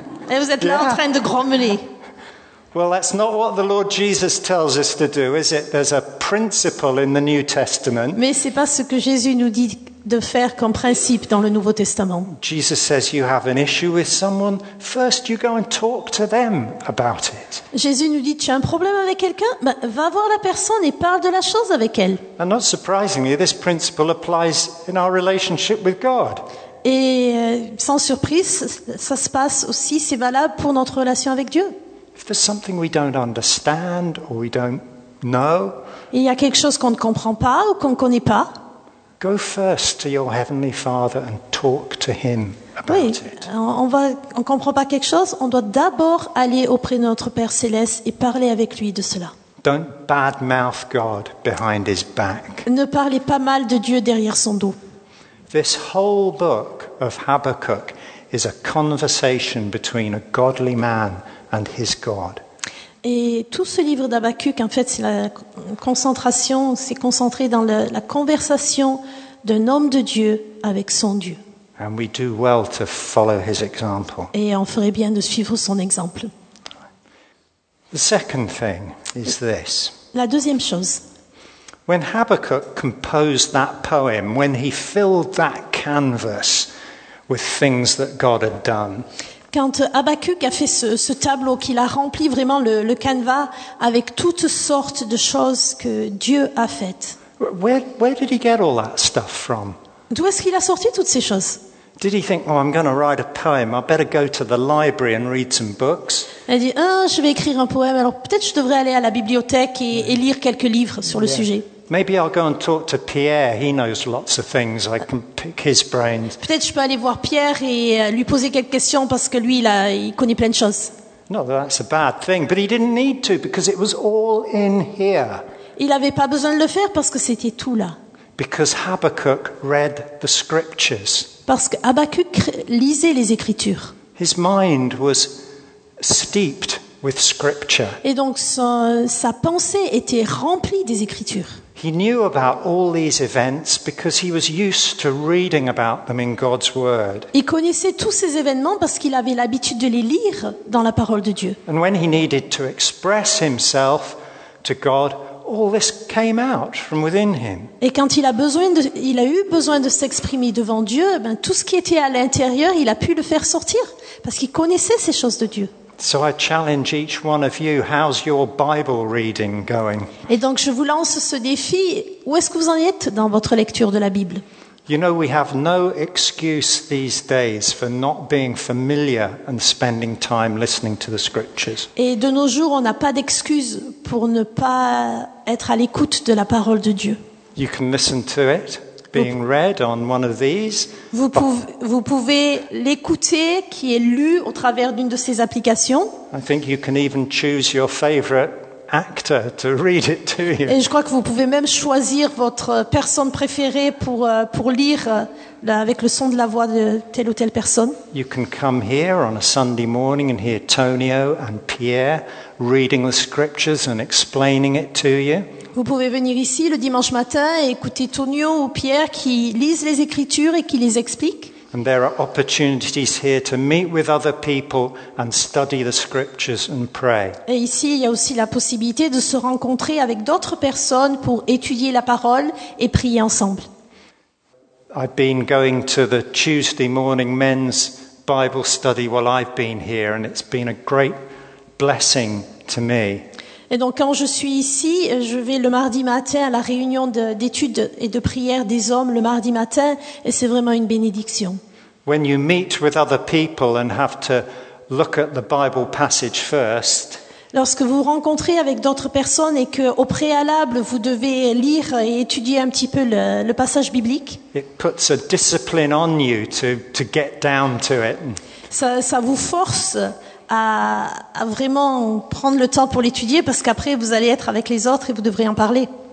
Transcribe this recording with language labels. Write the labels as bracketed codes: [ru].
[fr] et vous êtes là en train de grommeler. [en] Well, that's not what the Lord Jesus tells us to do, is it? There's a principle in the New Testament. [fr] Mais c'est pas ce que Jésus nous dit de faire comme principe dans le Nouveau Testament. [en] Jesus says you have an issue with someone, first you go and talk to them about it. [fr] Jésus nous dit tu as un problème avec quelqu'un, ben, va voir la personne et parle de la chose avec elle. [en] And not surprisingly, this principle applies in our relationship with God. [fr] Et sans surprise, ça se passe aussi, c'est valable pour notre relation avec Dieu. [en] If there's something we don't understand or we don't know, [fr] il y a quelque chose qu'on ne comprend pas ou qu'on ne connaît pas. [en] Go first to your heavenly Father and talk to him about it. [fr] On comprend pas quelque chose, on doit d'abord aller auprès de notre Père céleste et parler avec lui de cela. [en] Don't badmouth God behind his back. [fr] Ne parlez pas mal de Dieu derrière son dos. [en] This whole book of Habakkuk is a conversation between a godly man and his God. [fr] Et tout ce livre d'Habakkuk, en fait, c'est la concentration, c'est concentré dans la conversation d'un homme de Dieu avec son Dieu. [en] And we do well to follow his example. [fr] Et on ferait bien de suivre son exemple. [en] The second thing is this. [fr] La deuxième chose. [en] When Habakkuk composed that poem, when he filled that canvas with things that God had done. [fr] Quand Habakkuk a fait ce tableau, qu'il a rempli vraiment le canevas avec toutes sortes de choses que Dieu a faites. [en] Where did he get all that stuff from? [fr] D'où est-ce qu'il a sorti toutes ces choses? [en] Did he think, oh, I'm going to write a poem, I better go to the library and read some books? [fr] Il a dit, je vais écrire un poème, alors peut-être je devrais aller à la bibliothèque et lire quelques livres sur le sujet. [en] Maybe I'll go and talk to Pierre. He knows lots of things. I can pick his brain. [fr] Peut-être je peux aller voir Pierre et lui poser quelques questions parce que lui, il connaît plein de choses. [en] No, that's a bad thing. But he didn't need to because it was all in here. [fr] Il n'avait pas besoin de le faire parce que c'était tout là. [en] Because Habakkuk read the scriptures. [fr] Parce que Habakkuk lisait les Écritures. [en] His mind was steeped with scripture. [fr] Et donc sa pensée était remplie des Écritures. [en] He knew about all these events because he was used to reading about them in God's word. [fr] Il connaissait tous ces événements parce qu'il avait l'habitude de les lire dans la parole de Dieu. [en] And when he needed to express himself to God, all this came out from within him. [fr] Et quand il a eu besoin de s'exprimer devant Dieu, ben tout ce qui était à l'intérieur, il a pu le faire sortir parce qu'il connaissait ces choses de Dieu. [en] So I challenge each one of you, how's your Bible reading going? [fr] Et donc je vous lance ce défi, où est-ce que vous en êtes dans votre lecture de la Bible? [en] You know, we have no excuse these days for not being familiar and spending time listening to the scriptures. [fr] Et de nos jours, on n'a pas d'excuse pour ne pas être à l'écoute de la parole de Dieu. [en] You can listen to it being read on one of these. [fr] Vous pouvez l'écouter qui est lu au travers d'une de ces applications. [en] I think you can even choose your favorite actor to read it to you. [fr] Et je crois que vous pouvez même choisir votre personne préférée pour lire avec le son de la voix de telle ou telle personne. [en] You can come here on a Sunday morning and hear Tonio and Pierre reading the scriptures and explaining it to you. [fr] Vous pouvez venir ici le dimanche matin et écouter Tonio ou Pierre qui lisent les Écritures et qui les expliquent. [en] And there are opportunities here to meet with other people and study the scriptures and pray. [fr] Et ici, il y a aussi la possibilité de se rencontrer avec d'autres personnes pour étudier la parole et prier ensemble. [en] I've been going to the Tuesday morning men's Bible study while I've been here, and it's been a great blessing to me. [fr] Et donc quand je suis ici, je vais le mardi matin à la réunion d'études et de prière des hommes le mardi matin, et c'est vraiment une bénédiction. [en] When you meet with other people and have to look at the Bible passage first. [fr] lorsque vous rencontrez avec d'autres personnes et que au préalable vous devez lire et étudier un petit peu le passage biblique. [en] It puts a discipline on you to get down to it. [fr] Ça vous force à vraiment prendre le temps pour l'étudier parce qu'après vous allez être avec les autres et vous devrez en parler.